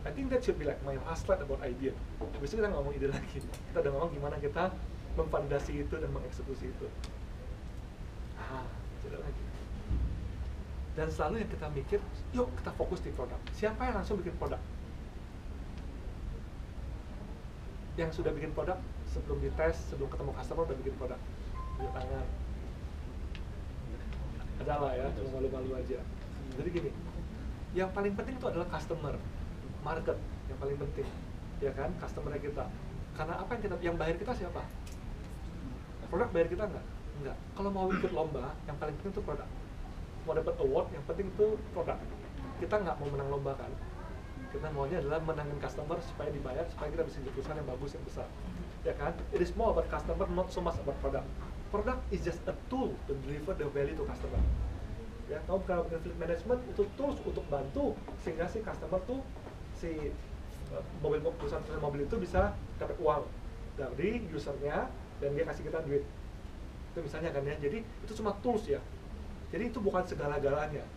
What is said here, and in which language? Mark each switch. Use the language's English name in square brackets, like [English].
[English] I think that should be like my last slide about idea. [Indonesian] Habis itu kita ngomong ide lagi. Kita udah ngomong gimana kita memfondasi itu dan mengeksekusi itu. Cerita lagi. Dan selalu yang kita mikir, yuk kita fokus di produk. Siapa yang langsung bikin produk? Yang sudah bikin produk, sebelum dites, sebelum ketemu customer, udah bikin produk. Di tangan. Ada lah ya, cuma malu-malu aja. Jadi gini. Yang paling penting itu adalah customer, market yang paling penting, ya kan, customer kita. Karena apa yang kita, yang bayar kita siapa? Produk bayar kita nggak? Nggak. Kalau mau ikut lomba, yang paling penting itu produk. Mau dapat award, yang penting itu produk. Kita nggak mau menang lomba kan? kita maunya adalah menangin customer supaya dibayar, supaya kita bisa jadi perusahaan yang bagus, yang besar. Ya kan? [English] It is more about customer, not so much about product. Product is just a tool to deliver the value to customer. [Indonesian] Ya, kalau bukan fleet management, itu tools untuk bantu sehingga si customer tuh, si mobil, perusahaan mobil itu bisa dapat uang dari usernya dan dia kasih kita duit. Itu misalnya kan ya, jadi itu cuma tools ya. Jadi itu bukan segala-galanya.